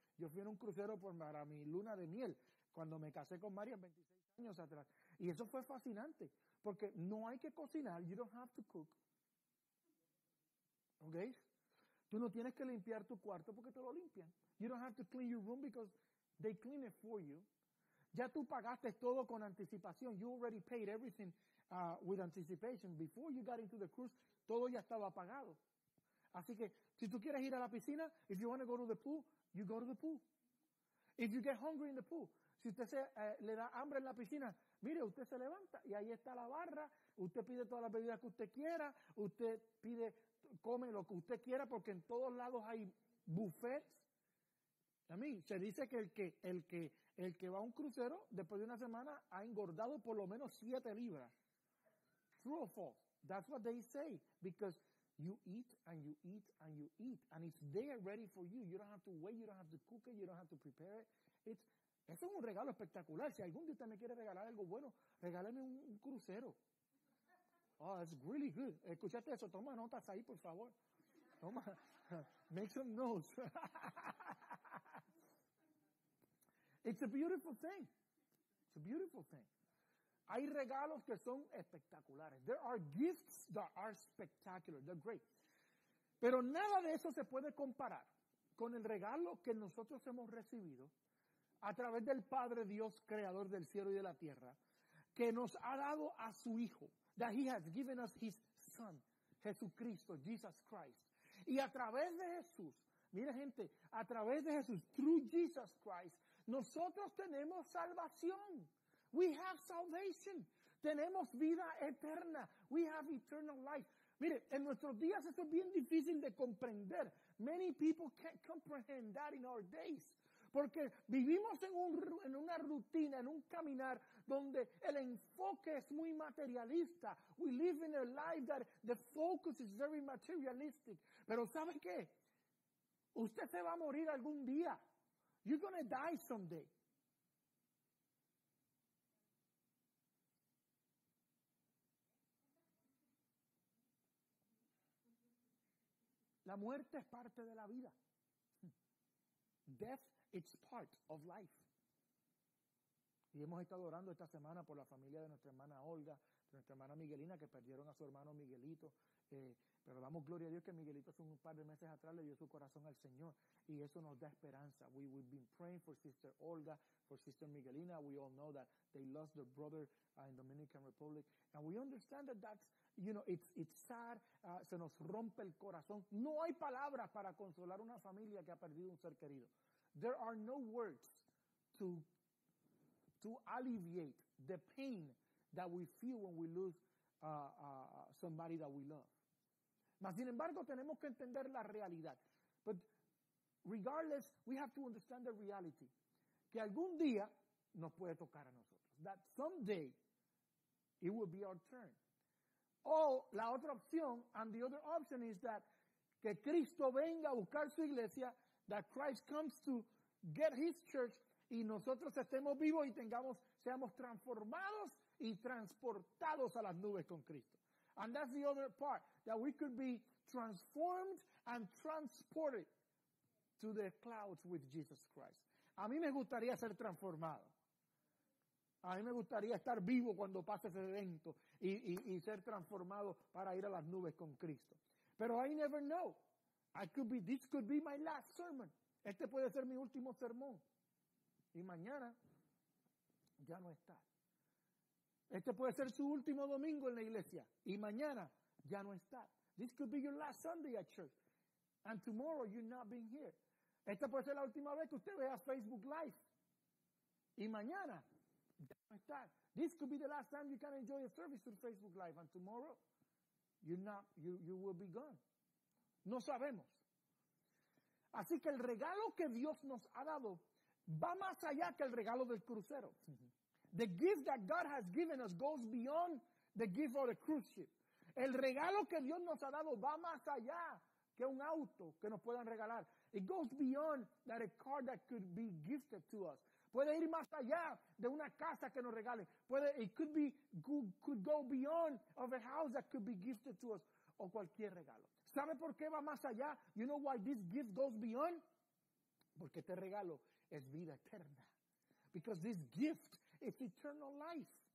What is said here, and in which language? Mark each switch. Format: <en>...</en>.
<es>Yo fui en un crucero para mi luna de miel cuando me casé con María 26 años atrás. Y eso fue fascinante porque no hay que cocinar.</es> <en>You don't have to cook. ¿Ok?</en> <es>Tú no tienes que limpiar tu cuarto porque te lo limpian.</es> <en>You don't have to clean your room because they clean it for you.</en> <es>Ya tú pagaste todo con anticipación.</es> <en>You already paid everything with anticipation. Before you got into the cruise,</en> <es>todo ya estaba pagado. Así que, si tú quieres ir a la piscina,</es> <en>if you want to go to the pool, you go to the pool. If you get hungry in the pool,</en> <es>si usted le da hambre en la piscina, mire, usted se levanta y ahí está la barra. Usted pide todas las bebidas que usted quiera. Usted pide, come lo que usted quiera porque en todos lados hay buffets. A mí, se dice que el que va a un crucero, después de una semana, ha engordado por lo menos 7 libras.</es> <en>True or false? That's what they say. Because you eat and you eat and you eat. And it's there ready for you. You don't have to wait. You don't have to cook it. You don't have to prepare it. It's</en> <es>Eso es un regalo espectacular. Si algún día usted me quiere regalar algo bueno, regáleme un crucero.</es> <en>Oh, that's really good.</en> <es>Escúchate eso. Toma notas ahí, por favor. Toma.</es> <en>Make some notes. It's a beautiful thing. It's a beautiful thing.</en> <es>Hay regalos que son espectaculares.</es> <en>There are gifts that are spectacular. They're great.</en> <es>Pero nada de eso se puede comparar con el regalo que nosotros hemos recibido a través del Padre Dios, Creador del cielo y de la tierra, que nos ha dado a su Hijo.</es> <en>That He has given us His Son,</en> <es>Jesucristo,</es> <en>Jesus Christ.</en> <es>Y a través de Jesús, mire gente, a través de Jesús,</es> <en>through Jesus Christ,</en> <es>nosotros tenemos salvación.</es> <en>We have salvation.</en> <es>Tenemos vida eterna.</es> <en>We have eternal life.</en> <es>Mire, en nuestros días esto es bien difícil de comprender.</es> <en>Many people can't comprehend that in our days.</en> <es>Porque vivimos en una rutina, en un caminar, donde el enfoque es muy materialista.</es> <en>We live in a life that the focus is very materialistic.</en> <es>Pero ¿sabe qué? Usted se va a morir algún día.</es> <en>You're going to die someday.</en> <es>La muerte es parte de la vida.</es> <en>Death, it's part of life.</en> <es>Y hemos estado orando esta semana por la familia de nuestra hermana Olga, de nuestra hermana Miguelina, que perdieron a su hermano Miguelito. Pero damos gloria a Dios que Miguelito hace un par de meses atrás le dio su corazón al Señor. Y eso nos da esperanza.</es> <en>We've been praying for Sister Olga, for Sister Miguelina. We all know that they lost their brother in Dominican Republic. And we understand that that's, you know, it's sad.</en> <es>Se nos rompe el corazón. No hay palabras para consolar una familia que ha perdido un ser querido.</es> <en>There are no words to alleviate the pain that we feel when we lose somebody that we love.</en> <es>Mas sin embargo, tenemos que entender la realidad.</es> <en>But regardless, we have to understand the reality.</en> <es>Que algún día nos puede tocar a nosotros.</es> <en>That someday it will be our turn.</en> <es>O la otra opción,</es> <en>and the other option is that</en> <es>que Cristo venga a buscar su iglesia,</es> <en>that Christ comes to get his church,</en> <es>y nosotros estemos vivos y seamos transformados y transportados a las nubes con Cristo.</es> <en>And that's the other part, that we could be transformed and transported to the clouds with Jesus Christ.</en> <es>A mí me gustaría ser transformado. A mí me gustaría estar vivo cuando pase ese evento y ser transformado para ir a las nubes con Cristo. Pero</es> <en>I never know. This could be my last sermon.</en> <es>Este puede ser mi último sermón. Y mañana ya no está. Este puede ser su último domingo en la iglesia. Y mañana ya no está.</es> <en>This could be your last Sunday at church. And tomorrow you're not being here.</en> <es>Esta puede ser la última vez que usted vea Facebook Live. Y mañana ya no está.</es> <en>This could be the last time you can enjoy a service through Facebook Live. And tomorrow you will be gone.</en> <es>No sabemos. Así que el regalo que Dios nos ha dado va más allá que el regalo del crucero.</es> <en>The gift that God has given us goes beyond the gift of the cruise ship.</en> <es>El regalo que Dios nos ha dado va más allá que un auto que nos puedan regalar.</es> <en>It goes beyond that a car that could be gifted to us.</en> <es>Puede ir más allá de una casa que nos regalen.</es> <en>It could go beyond of a house that could be gifted to us</en> <es>o cualquier regalo. ¿Sabe por qué va más allá?</es> <en>You know why this gift goes beyond?</en> <es>Porque este regalo es vida eterna.</es> <en>Because this gift is eternal life.</en>